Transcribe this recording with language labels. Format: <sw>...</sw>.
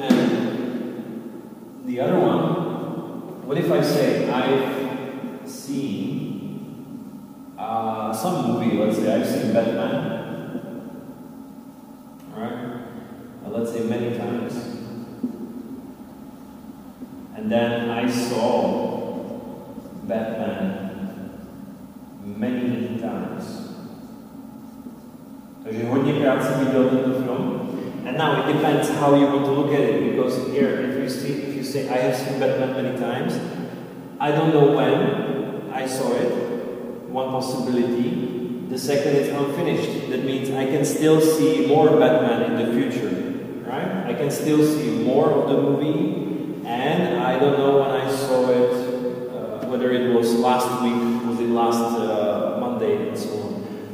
<en>And the other one, what if I say I've seen some movie, let's say I've seen Batman. Many times, and then I saw Batman many times.</en> <cs>Takže hodněkrát jsem viděl tento film.</cs> <en>And now it depends how you want to look at it, because here, if you say I have seen Batman many times, I don't know when I saw it. One possibility. The second is unfinished. That means I can still see more Batman in the future. I can still see more of the movie, and I don't know when I saw it, whether it was last week, was it last Monday, and so on.</en>